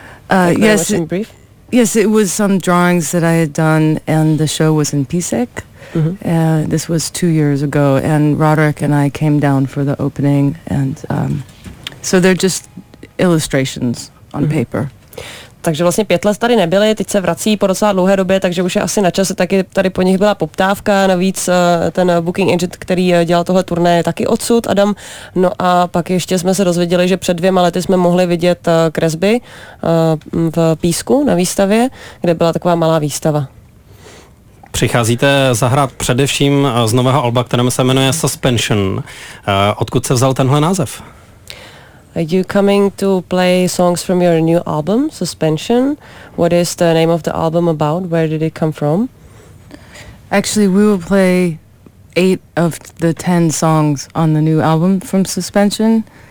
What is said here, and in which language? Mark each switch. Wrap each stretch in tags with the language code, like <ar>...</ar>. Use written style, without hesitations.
<en>Yes, in brief? Yes, it was some drawings that I had done, and the show was in Písek. Mm-hmm. This was 2 years ago, and Roderick and I came down for the opening, and so they're just illustrations on paper.</en> <cs>Takže vlastně 5 let tady nebyli, teď se vrací po docela dlouhé době, takže už je asi na čase, taky tady po nich byla poptávka, navíc ten booking agent, který dělal tohle turné, je taky odsud, Adam. No a pak ještě jsme se dozvěděli, že před 2 lety jsme mohli vidět kresby v Písku na výstavě, kde byla taková malá výstava. Přicházíte zahrát především z nového alba, kterým se jmenuje Suspension. Odkud se vzal tenhle název?</cs> <en>Are you coming to play songs from your new album, Suspension? What is the name of the album about? Where did it come from? Actually, we will play 8 of the 10 songs on the new album from Suspension.</en>